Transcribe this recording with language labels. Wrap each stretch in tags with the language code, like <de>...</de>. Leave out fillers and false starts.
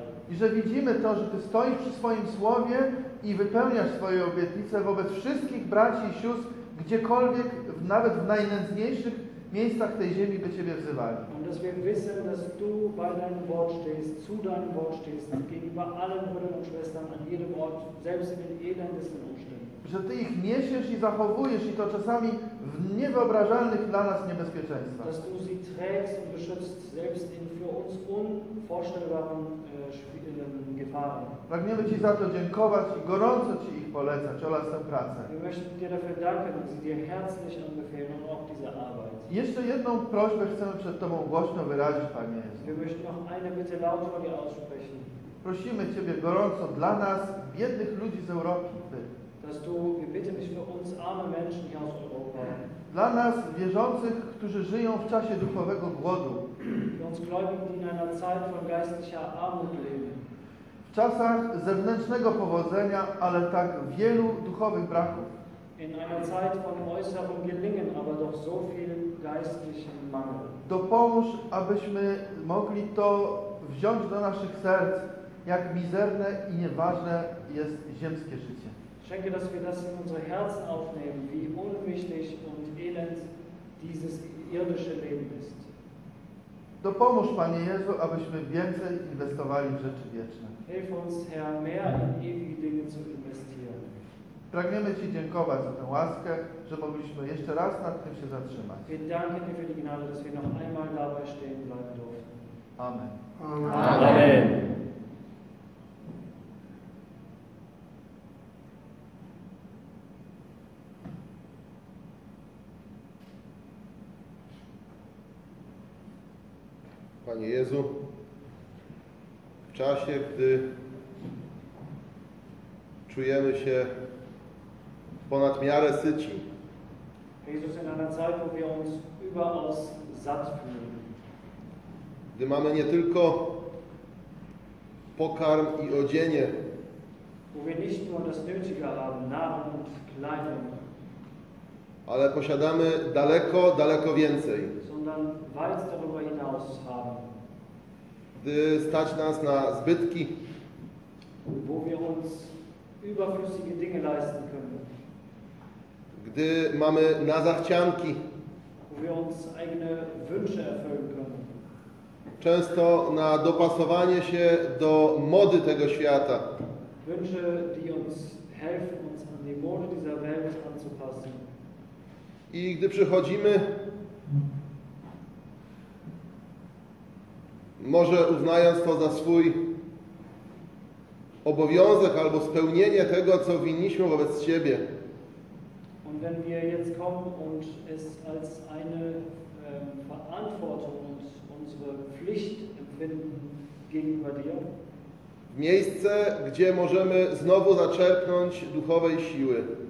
<pl>I że widzimy to, że Ty stoisz przy swoim Słowie i wypełniasz swoje obietnice wobec wszystkich braci i sióstr, gdziekolwiek, nawet w najnędzniejszych miejscach tej ziemi by Ciebie wzywali.</pl> <de>Und dass wir wissen, dass du bei deinem Wort stehst, zu deinem Wort stehst, gegenüber allen Brüdern und Schwestern an jedem Ort, selbst in den elendesten Umständen.</de> <pl>Że Ty ich niesiesz i zachowujesz, i to czasami w niewyobrażalnych dla nas niebezpieczeństwach.</pl> <de>Dass du sie trägst und beschützt, selbst in für uns unvorstellbaren Gefahren.</de> <pl>Pragniemy Ci za to dziękować i gorąco Ci ich polecać oraz tę pracę.</pl> <de>Wir möchten dir dafür danken, dass sie dir herzlich anbefehlen und auch diese Arbeit.</de> <pl>Jeszcze jedną prośbę chcemy przed Tobą głośno wyrazić, Panie Jezu.</pl> <de>Wir möchten noch eine Bitte laut vor dir aussprechen.</de> <pl>Prosimy Ciebie gorąco dla nas, biednych ludzi z Europy, Ty.</pl> <de>Dass du, wir bitten dich für uns arme Menschen hier aus Europa.</de> <pl>Dla nas wierzących, którzy żyją w czasie duchowego głodu.</pl> <de>Für uns Gläubigen, die in einer Zeit von geistlicher Armut leben.</de> <pl>W czasach zewnętrznego powodzenia, ale tak wielu duchowych braków.</pl> <de>In einer Zeit von äußerem Gelingen, aber doch so viel geistlichen Mangel.</de> <pl>Dopomóż, abyśmy mogli to wziąć do naszych serc, jak mizerne i nieważne jest ziemskie życie.</pl> <de>Schenke, dass wir das in unsere Herzen aufnehmen, wie unwichtig und elend dieses irdische Leben ist.</de> <pl>Dopomóż, Panie Jezu, abyśmy więcej inwestowali w rzeczy wieczne.</pl> <de>Hilf uns, Herr, mehr in ewige Dinge zu investieren.</de> <pl>Pragniemy Ci dziękować za tę łaskę, że mogliśmy jeszcze raz nad tym się zatrzymać.</pl> <de>Wir danken dir für die Gnade, dass wir noch einmal dabei stehen bleiben durften.</de> <pl>Amen.</pl> <de>Amen. Amen.</de> <pl>Panie Jezu, w czasie, gdy czujemy się ponad miarę syci,</pl> <de>Jezus, in einer Zeit, wo wir uns überaus satt fühlen,</de> <pl>gdy mamy nie tylko pokarm i odzienie,</pl> <de>wo wir nicht nur das Nötige haben, Nahrung und Kleidung,</de> <pl>ale posiadamy daleko, daleko więcej,</pl> <de>sondern weit darüber hinaus haben.</de> <pl>Gdy stać nas na zbytki,</pl> <de>wo wir uns überflüssige Dinge leisten können,</de> <pl>gdy mamy na zachcianki,</pl> <de>wo wir uns eigene Wünsche erfüllen können,</de> <pl>często na dopasowanie się do mody tego świata,</pl> <de>Wünsche, die uns helfen, uns an die Mode dieser Welt anzupassen,</de> <pl>i gdy przychodzimy, może uznając to za swój obowiązek albo spełnienie tego, co winniśmy wobec Ciebie.</pl> <de>Und wenn wir jetzt kommen und es als eine Verantwortung und unsere Pflicht empfinden gegenüber dir.</de> <pl>W miejsce, gdzie możemy znowu zaczerpnąć duchowej siły.</pl>